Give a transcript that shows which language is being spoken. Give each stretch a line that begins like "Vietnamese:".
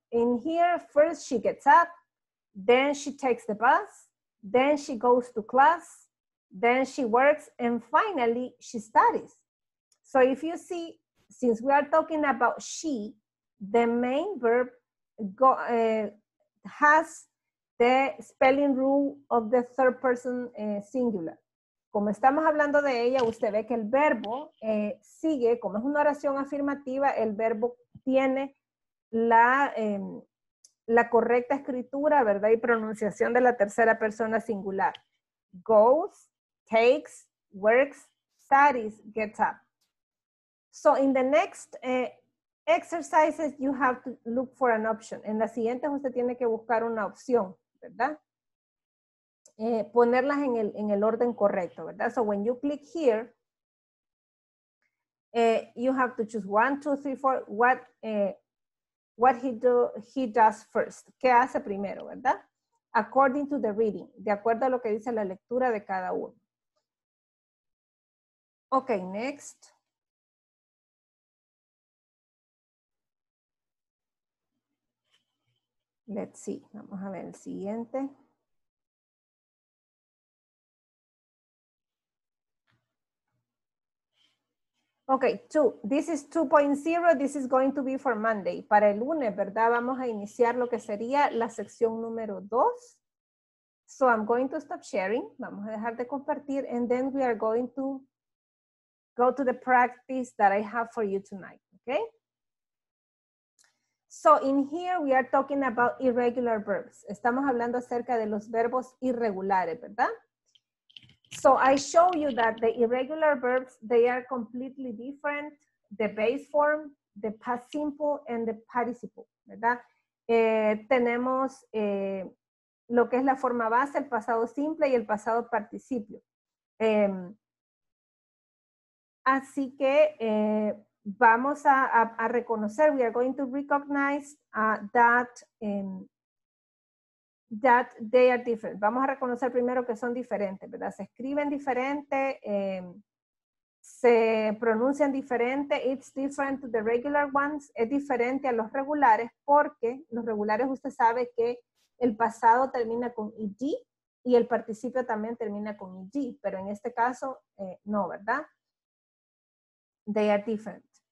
English: In here, first she gets up, then she takes the bus, then she goes to class, then she works, and finally she studies. So if you see, since we are talking about she, the main verb has the spelling rule of the third person singular.
Spanish: Como estamos hablando de ella, usted ve que el verbo sigue, como es una oración afirmativa, el verbo tiene la correcta escritura, ¿verdad? Y pronunciación de la tercera persona singular.
English: Goes, takes, works, studies, gets up. So in the next exercises, you have to look for an option.
Spanish: En la siguiente, usted tiene que buscar una opción, ¿verdad? Ponerlas en el orden correcto, ¿verdad?
English: So when you click here, you have to choose 1, 2, 3, 4, what he does first.
Spanish: ¿Qué hace primero, verdad?
English: According to the reading,
Spanish: de acuerdo a lo que dice la lectura de cada uno.
English: Okay, next. Let's see,
Spanish: vamos a ver el siguiente.
English: Okay, 2. This is 2.0. This is going to be for Monday.
Spanish: Para el lunes, ¿verdad? Vamos a iniciar lo que sería la sección número 2.
English: So I'm going to stop sharing.
Spanish: Vamos a dejar de compartir.
English: And then we are going to go to the practice that I have for you tonight. Okay? So in here we are talking about irregular verbs.
Spanish: Estamos hablando acerca de los verbos irregulares, ¿verdad?
English: So I show you that the irregular verbs, they are completely different. The base form, the past simple, and the participle, ¿verdad?
Spanish: Tenemos lo que es la forma base, el pasado simple y el pasado participio. Así que... vamos a reconocer,
English: we are going to recognize that they are different.
Spanish: Vamos a reconocer primero que son diferentes, ¿verdad? Se escriben diferente, se pronuncian diferente.
English: It's different to the regular ones.
Spanish: Es diferente a los regulares porque los regulares usted sabe que el pasado termina con ed y el participio también termina con ed, pero en este caso no, ¿verdad?
English: They are different.